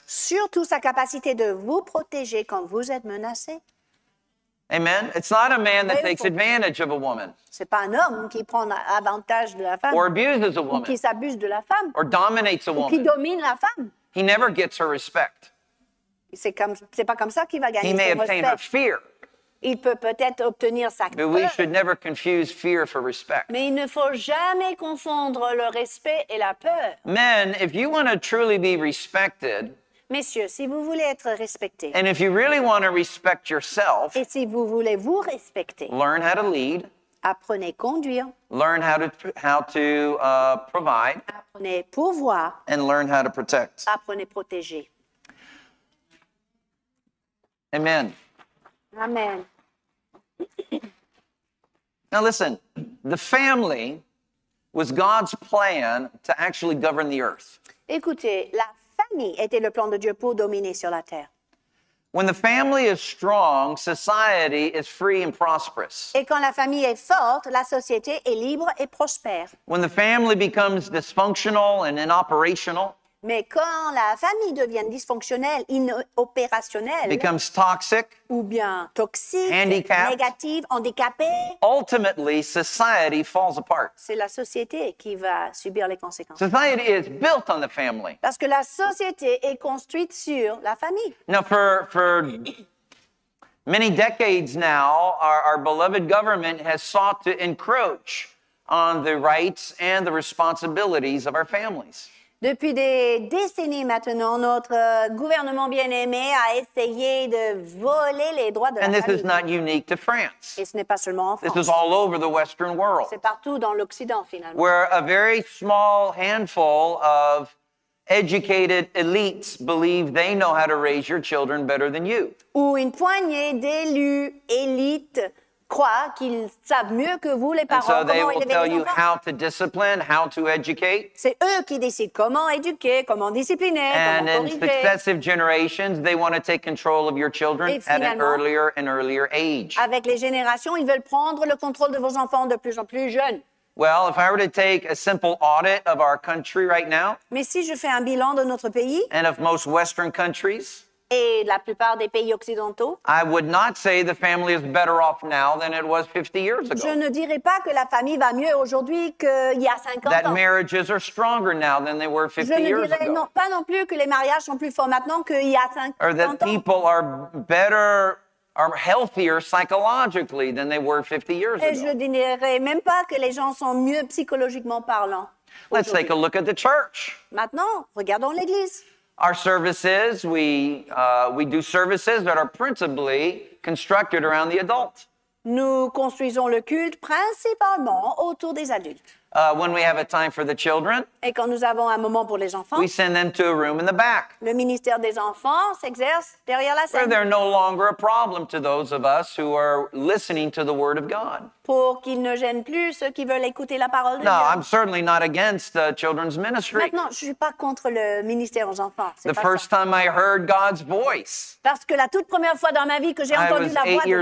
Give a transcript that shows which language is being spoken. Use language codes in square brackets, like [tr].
[fr] Surtout sa capacité de vous protéger quand vous êtes menacé. Amen. [en] It's not a man that takes advantage of a woman. [fr] C'est pas un homme qui prend avantage de la femme. [en] Or abuses a woman. [fr] Ou qui s'abuse de la femme. [en] Or dominates a woman. [fr] Ou qui domine la femme. [en] He never gets her respect. [fr] C'est pas comme ça qu'il va gagner son respect. [en] He may obtain her fear. [fr] Il peut peut-être obtenir sa peur. [en] But we should never confuse fear for respect. [fr] Mais il ne faut jamais confondre le respect et la peur. [en] Men, if you want to truly be respected, [fr] messieurs, si vous voulez être respecté, [en] and if you really want to respect yourself, [fr] et si vous voulez vous respecter, [en] learn how to lead. [fr] Apprenez conduire. [en] Learn how to provide. [fr] Apprenez pourvoir. [en] And learn how to protect. [fr] Apprenez protéger. Amen. Amen. [en] Now listen, the family was God's plan to actually govern the earth. [fr] Écoutez, la famille était le plan de Dieu pour dominer sur la terre. [en] When the family is strong, society is free and prosperous. [fr] Et quand la famille est forte, la société est libre et prospère. [en] When the family becomes dysfunctional and inoperational, [fr] mais quand la famille devient dysfonctionnelle, inopérationnelle, [en] becomes toxic, [fr] ou bien toxique, [en] handicapped, [fr] négative, handicapée, [en] ultimately society falls apart. [fr] C'est la société qui va subir les conséquences. [en] Society is built on the family. [fr] Parce que la société est construite sur la famille. [en] Now for many decades now, our beloved government has sought to encroach on the rights and the responsibilities of our families. [fr] Depuis des décennies maintenant, notre gouvernement bien-aimé a essayé de voler les droits de [en] and [fr] la famille. [en] And this is not unique to France. [fr] Et ce n'est pas seulement en France. [en] This is all over the Western world. [fr] C'est partout dans l'Occident, finalement. [en] Where a very small handful of educated elites believe they know how to raise your children better than you. [fr] Ou une poignée d'élus élites croient qu'ils savent mieux que vous les parents [en] so [fr] comment élever les enfants. [en] How to discipline, how to educate. [fr] C'est eux qui décident comment éduquer, comment discipliner, [en] and [fr] comment corriger. [en] And in successive generations, they want to take control of your children at an earlier and earlier age. [fr] Avec les générations, ils veulent prendre le contrôle de vos enfants de plus en plus jeunes. [en] Well, if I were to take a simple audit of our country right now, [fr] mais si je fais un bilan de notre pays, [en] and of most Western countries, [fr] et la plupart des pays occidentaux, [en] I would not say the family is better off now than it was 50 years ago. [fr] Je ne dirais pas que la famille va mieux aujourd'hui qu'il y a 50 ans. [en] That marriages are stronger now than they were 50 years ago. [fr] Je ne dirais pas non plus que les mariages sont plus forts maintenant qu'il y a 50 ans. [en] Or that people are better, are healthier psychologically than they were 50 years ago. [fr] Et je ne dirais même pas que les gens sont mieux psychologiquement parlant. [en] Let's take a look at the church. [fr] Maintenant, regardons l'église. [en] Our services, we do services that are principally constructed around the adult. [fr] Nous construisons le culte principalement autour des adultes. [en] When we have a time for the children, [fr] et quand nous avons un moment pour les enfants, [en] we send them to a room in the back. [fr] Le ministère des enfants s'exerce derrière la scène. [en] Where they're no longer a problem to those of us who are listening to the word of God. [fr] Pour qu'ils ne gênent plus ceux qui veulent écouter la parole de [en] no, [fr] Dieu. [en] I'm certainly not against the children's ministry. [fr] Maintenant, je ne suis pas contre le ministère aux enfants. [en] The [fr] pas [en] first [fr] ça. [en] Time I heard God's voice. [fr] Parce que la toute première fois dans ma vie que j'ai entendu la voix de Dieu,